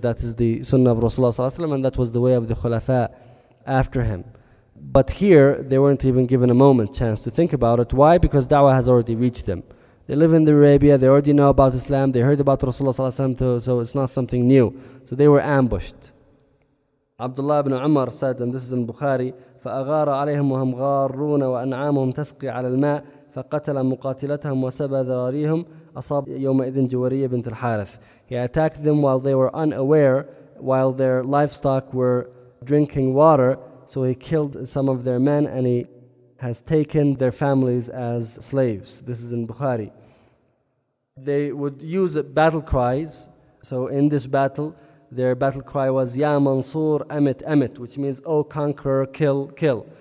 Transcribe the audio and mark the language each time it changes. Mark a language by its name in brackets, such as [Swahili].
[English] That is the sunnah of Rasulullah sallallahu alaihi wasallam, and that was the way of the khulafa after him. But here, they weren't even given a moment chance to think about it. Why? Because da'wah has already reached them. They live in the Arabia, they already know about Islam, they heard about Rasulullah sallallahu alaihi wasallam, so it's not something new. So they were ambushed. Abdullah ibn Umar said, and this is in Bukhari, [Arabic] فَأَغَارَ عَلَيْهِمْ وَهُمْ غَارُونَ وَأَنْعَامُهُمْ تَسْقِي عَلَى الْمَاءِ فَقَتَلَ مُقَاتِلَتَهُمْ وَسَبَى ذَرَارِيهُمْ أَصَابَ يَوْمَئِذٍ جُوَرِيَّ بِنْتِ الْحَارِثِ. [English] He attacked them while they were unaware, while their livestock were drinking water, so he killed some of their men and he has taken their families as slaves. This is in Bukhari. They would use battle cries. So in this battle, their battle cry was [Arabic] Ya Mansur Amit Amit, [English] which means O conqueror, kill, kill.